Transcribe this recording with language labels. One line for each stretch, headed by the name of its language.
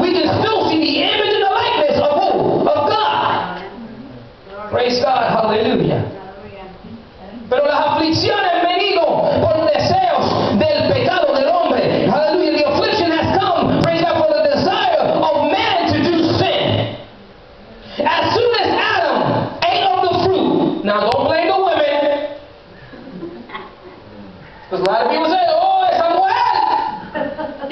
English: We can still see the image and the likeness of who? Of God. Praise God, hallelujah.
Spanish: Pero las aflicciones han venido por deseos del pecado del hombre.
English: Hallelujah. The affliction has come, praise God, for the desire of man to do sin. As soon as Adam ate of the fruit, now don't blame the women. Because a lot of people say, oh,
Spanish: esa mujer.